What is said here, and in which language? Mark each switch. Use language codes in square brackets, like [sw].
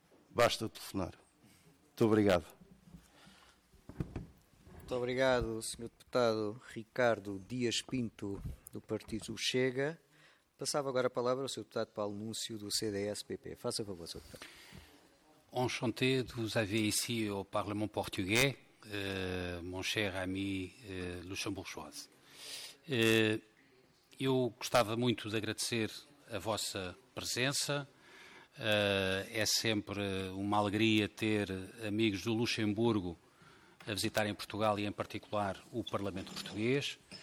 [pt] Basta telefonar. Muito obrigado. Muito obrigado, Senhor Deputado Ricardo Dias Pinto, do Partido Chega. Passava agora a palavra ao Senhor Deputado Paulo Núncio, do CDS-PP. Faça favor, Senhor Deputado. [fr] Enchanté de vous avoir ici au Parlement portugais. Mon cher ami luxemburguês. [pt] Eu gostava muito de agradecer a vossa presença. É sempre uma alegria ter amigos do Luxemburgo a visitarem Portugal e, em particular, o Parlamento Português.